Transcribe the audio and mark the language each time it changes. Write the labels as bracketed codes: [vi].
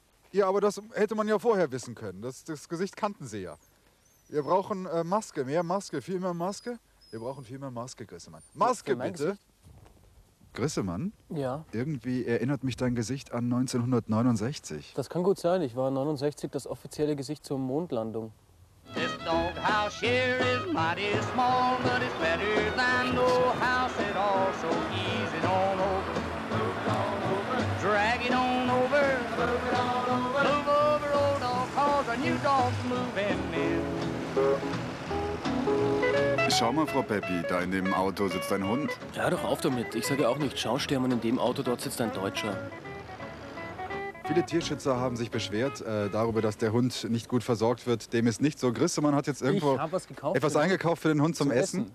[de] Ja, aber das hätte man ja vorher wissen können. Das Gesicht kannten Sie ja. Wir brauchen Maske, mehr Maske, viel mehr Maske. Wir brauchen viel mehr Maske, Grissemann. Maske, bitte. Gesicht? Grissemann? Ja. Irgendwie erinnert mich dein Gesicht an 1969. Das kann gut sein. Ich war 69 das offizielle Gesicht zur Mondlandung. [en] This old house here is mighty small, but it's better than no house at all. So ease it on over. Drag it on over. Move over, old dog, cause a new dog's moving in. [de] Schau mal, Frau Peppi, da in dem Auto sitzt ein Hund. Ja, doch auf damit. Ich sage auch nicht, schau, Stermann, in dem Auto dort sitzt ein Deutscher. Viele Tierschützer haben sich beschwert darüber, dass der Hund nicht gut versorgt wird. Dem ist nicht so. Grissemann hat jetzt irgendwo etwas eingekauft für den Hund zum Essen.